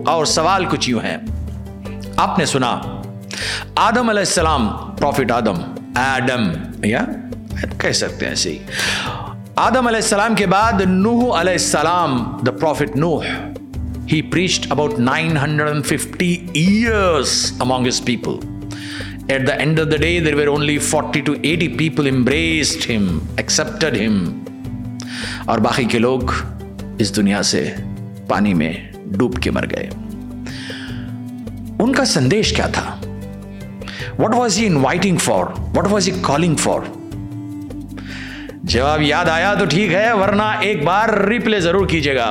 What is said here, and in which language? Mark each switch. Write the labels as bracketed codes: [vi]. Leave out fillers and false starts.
[ur] اور سوال کچھ یوں ہیں, آپ نے سنا آدم علیہ السلام, پروفٹ آدم, آدم یا کہہ سکتے ہیں ایسے ہی, آدم علیہ السلام کے بعد نوح علیہ السلام, [en] The prophet Nuh, he preached about 950 years among his people. At the end of the day, there were only 40 to 80 people embraced him, accepted him. [ur] اور باقی کے لوگ اس دنیا سے پانی میں ڈوب کے مر گئے. ان کا سندیش کیا تھا؟ [en] What was he inviting for? What was he calling for? [ur] جواب یاد آیا تو ٹھیک ہے, ورنہ ایک بار ریپلے ضرور کیجیے گا.